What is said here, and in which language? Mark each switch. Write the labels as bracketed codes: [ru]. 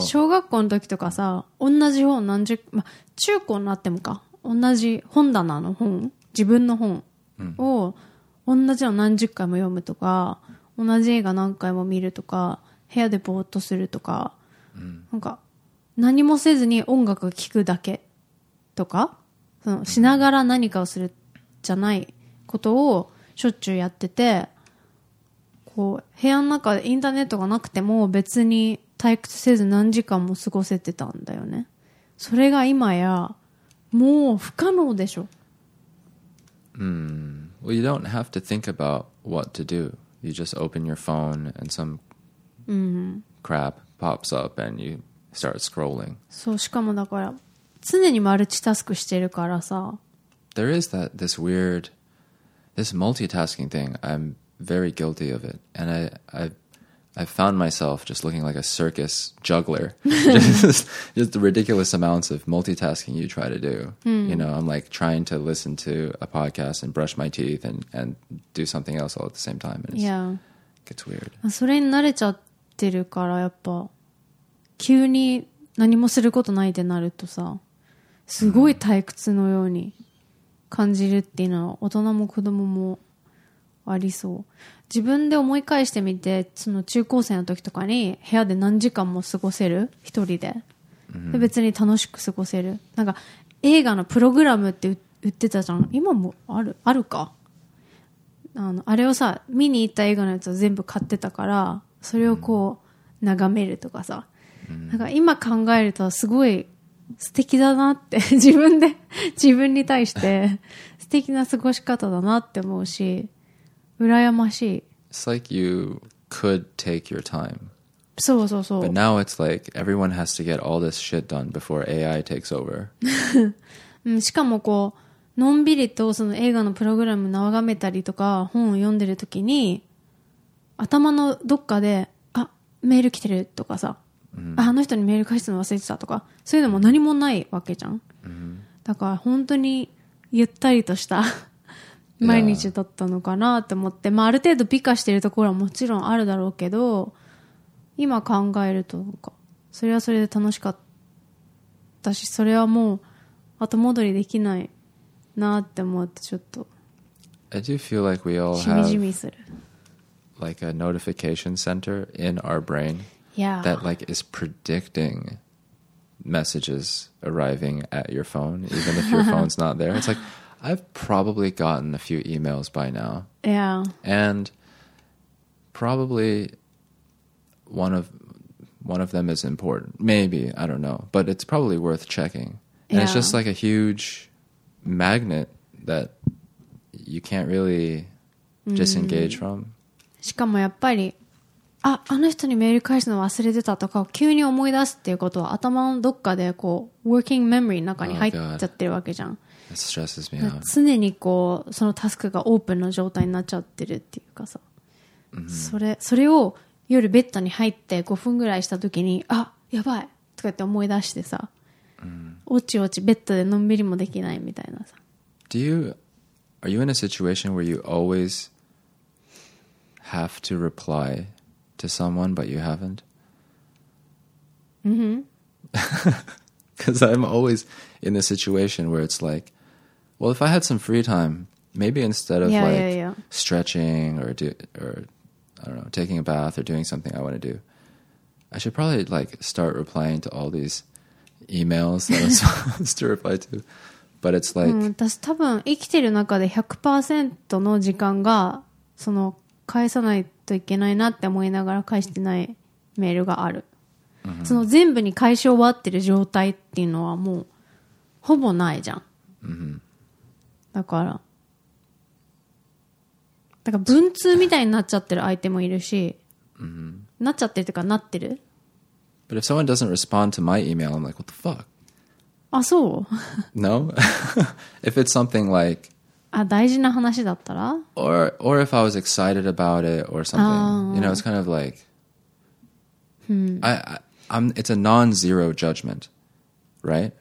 [ja] 小学校の時とかさ、同じ本何十、ま、中高になってもか、同じ本棚の本、自分の本を同じの何十回も読むとか、同じ映画何回も見るとか、部屋でぼーっとするとか、なんか何もせずに音楽聴くだけとか、そのしながら何かをするじゃないことをしょっちゅうやってて、こう部屋の中でインターネットがなくても別に退屈せず何時間も過ごせてたんだよね。それが今やもう不可能でしょ。 [en] Well, you don't have to think about what to do. You just open your phone and some crap pops up and you start scrolling. [ja] そう、しかもだから常にマルチタスクしてるからさ。 [en] There is that this weird this multitasking thing. I'm very guilty of it, and I found myself just looking like a circus juggler, just the ridiculous amounts of multitasking you try to do. You know, I'm like trying to listen to a podcast and brush my teeth and do something else all at the same time, and it gets weird. [ja] それに慣れちゃってるからやっぱ急に何もすることないってなるとさ、すごい退屈のように感じるっていうのは大人も子供も。ありそう。自分で思い返してみて、その中高生の時とかに部屋で何時間も過ごせる一人 で別に楽しく過ごせる、なんか映画のプログラムって売ってたじゃん。今もあるか、あれをさ、見に行った映画のやつを全部買ってたから、それをこう眺めるとかさ、なんか今考えるとすごい素敵だなって、自分で自分に対して素敵な過ごし方だなって思うし、羨ましい。 [en] It's like you could take your time. [ja] そうそうそう。 [en] But now it's like everyone has to get all this shit done before AI takes over. [ja] しかもこうのんびりとその映画のプログラム眺めたりとか本を読んでるときに、頭のどっかで、あ、メール来てるとかさ、あの人にメール返すの忘れてたとか、そういうのも何もないわけじゃん。だから本当にゆったりとした毎日だったのかなと思って、まあ、ある程度美化してるところはもちろんあるだろうけど、今考えるとなんかそれはそれで楽しかったし、それはもう後戻りできないなって思って、ちょっと [en] I do feel like we all [ja] しみじみする [en] have like a notification center in our brain、 yeah. that like is predictingmessages arriving at your phone even if your phone's not there. It's like I've probably gotten a few emails by now. Yeah. And probably one of them is important. Maybe, I don't know. But it's probably worth checking. And it's just like a huge magnet that you can't really disengage from. [ja] しかもやっぱり、あ、あの人にメール返すの忘れてたとかを急に思い出すっていうことは頭のどっかでこう working memory の中に入っちゃってるわけじゃん。 [en] That stresses me out. [ja] 常にこうそのタスクがオープンの状態になっちゃってるっていうかさ、それを夜ベッドに入って5分ぐらいした時に、あ、やばいとか言って思い出してさ、おちおちベッドでのんびりもできないみたいなさ。 [en] Do you, are you in a situation where you always have to reply to someone but you haven't? Mm-hmm. Because I'm always in a situation where it's like, well, if I had some free time, maybe instead of stretching or I don't know, taking a bath or doing something I want to do, I should probably like start replying to all these emails that I'm supposed to reply to. But it's like, [ja] 私多分生きてる中で 100% の時間がその返さないといけないなって思いながら返してないメールがある。 Mm-hmm. その全部に返し終わってる状態っていうのはもうほぼないじゃん、 mm-hmm. だから文通みたいになっちゃってる相手もいるし、 mm-hmm. なっちゃってるってかなってる。 [en] But if someone doesn't respond to my email, I'm like, what the fuck? [ja] あ、そう [en] No? If it's something like [ja] あ、大事な話だったら [en] or if I was excited about it or something, you know, it's kind of likeI'm it's a non-zero judgment, right?